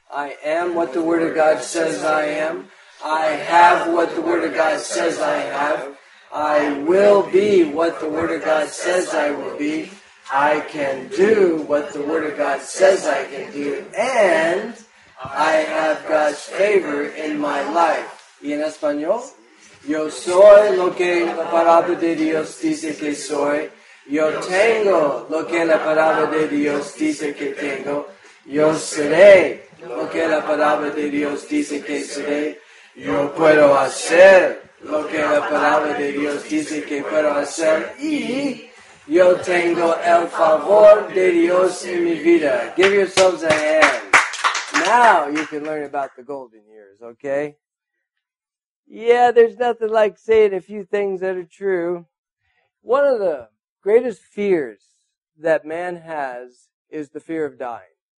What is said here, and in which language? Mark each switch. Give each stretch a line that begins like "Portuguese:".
English: I am what the Word of God says I am. I have what the Word of God says I have. I will be what the Word of God says I will be. I can do what the Word of God says I can do. And I have God's favor in my life.
Spanish: ¿Y en español? Yo soy lo que la palabra de Dios dice que soy. Yo tengo lo que la palabra de Dios dice que tengo. Yo seré lo que la palabra de Dios dice que seré. Yo puedo hacer lo que la palabra de Dios dice que puedo hacer. Y yo tengo el favor de Dios en mi vida.
English: Give yourselves a hand. Now you can learn about the golden years, okay? Yeah, there's nothing like saying a few things that are true. One of the greatest fears that man has is the fear of dying.